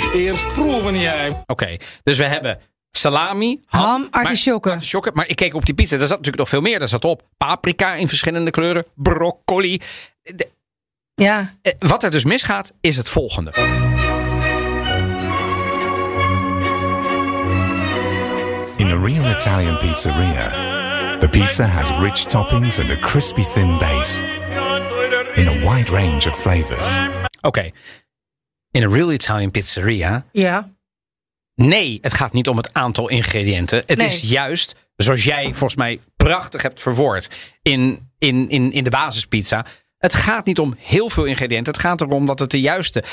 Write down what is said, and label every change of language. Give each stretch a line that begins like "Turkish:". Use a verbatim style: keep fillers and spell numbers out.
Dutch: Eerst proeven jij. Oké, dus we hebben salami, ham, Ham, artisjokken. maar- artisjokken. Maar ik keek op die pizza, daar zat natuurlijk nog veel meer. Daar zat op paprika in verschillende kleuren, broccoli. De- Ja. eh, wat er dus misgaat, is het volgende.
English: In a real Italian pizzeria, the pizza has rich toppings and a crispy thin base in a wide range of flavors.
Dutch: Oké, in een
English: real Italian pizzeria.
Dutch: Ja. Nee, het gaat niet om het aantal ingrediënten. Het Nee. is juist, zoals jij volgens mij prachtig hebt verwoord in, in, in, in de basispizza. Het gaat niet om heel veel ingrediënten. Het gaat erom dat het de juiste...